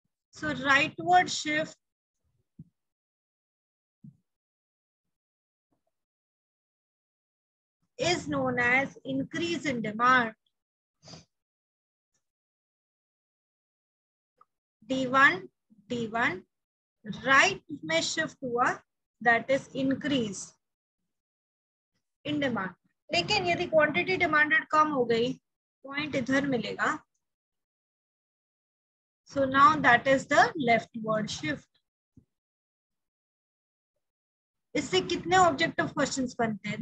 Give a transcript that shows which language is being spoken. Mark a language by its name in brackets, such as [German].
[English] So rightward shift is known as increase in demand. D1, right में shift हुआ, that is increase in demand. [Hindi] लेकिन यदि quantity demanded कम हो गई, point इधर मिलेगा. [English] So now that is the leftward shift. [Hindi] इससे कितने objective questions बनते हैं?